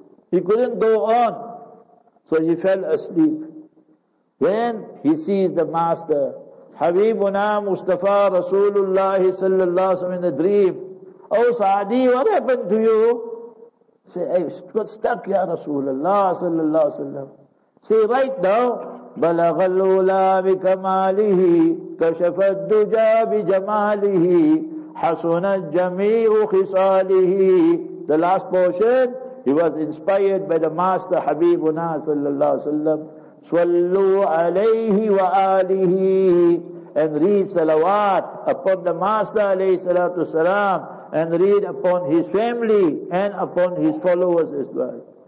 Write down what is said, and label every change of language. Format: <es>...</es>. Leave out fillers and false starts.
<en>He couldn't go on. So he fell asleep. Then he sees the Master, Habibuna Mustafa Rasulullah sallallahu alayhi wa sallam, in a dream. Oh Saadi, what happened to you? Say, I got stuck, Ya Rasulullah sallallahu alayhi wa sallam. Say, right now,</en> <ar>بَلَغَ الْأُولَى بِكَمَالِهِ كَشَفَ الدُّجَى بِجَمَالِهِ حَسُنَ الْجَمِيعُ خِصَالِهِ.</ar> <en>The last portion, he was inspired by the Master Habibuna sallallahu alayhi wa sallam.</en> <ar>صَلُّوا عَلَيْهِ وَآلِهِ,</ar> <en>and read salawat upon the Master alayhi salatu salam, and read upon his family and upon his followers as well.</en>